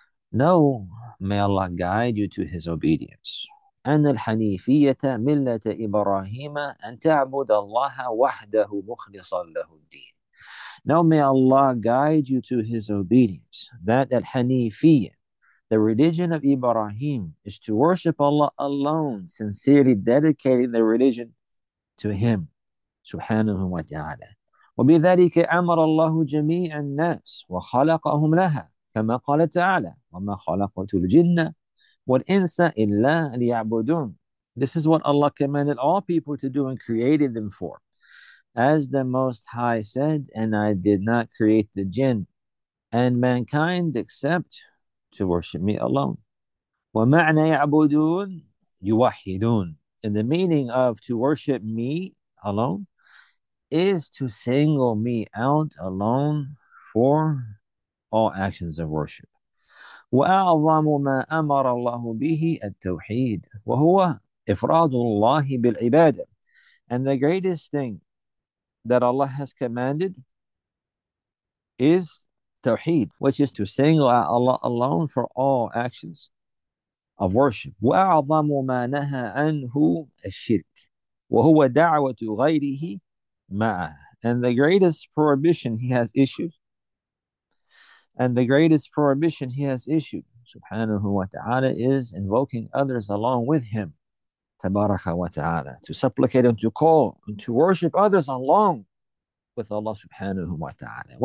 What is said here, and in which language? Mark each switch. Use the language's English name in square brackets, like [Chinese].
[English] No, may Allah guide you to his obedience. [Arabic] أن الحنيفية ملة إبراهيم أن تعبد الله وحده مخلصا له الدين. [English] Now may Allah guide you to his obedience. That الحنيفية, the religion of Ibrahim, is to worship Allah alone, sincerely dedicating the religion to him, [Arabic] سبحانه وتعالى. وبذلك أمر الله جميع الناس وخلقهم لها كما قال تعالى وما خلقت الجن والإنس إلا ليعبدون. [English] This is what Allah commanded all people to do and created them for. As the Most High said, and I did not create the jinn and mankind except to worship me alone. [Arabic] ومعنى يعبدون يوحدون. [English] And the meaning of to worship me alone is to single me out alone for all actions of worship. [Arabic] وأعظم ما أمر الله به التوحيد وهو إفراد الله بالعبادة. [English] And the greatest thing that Allah has commanded is توحيد, which is to single out Allah alone for all actions of worship. [Arabic] وأعظم ما نهى عنه الشرك وهو دعوة غيره معه. [English] And the greatest prohibition he has issued And the greatest prohibition he has issued, subhanahu wa ta'ala, is invoking others along with him, tabaraka wa ta'ala, to supplicate and to call and to worship others along with Allah subhanahu wa ta'ala.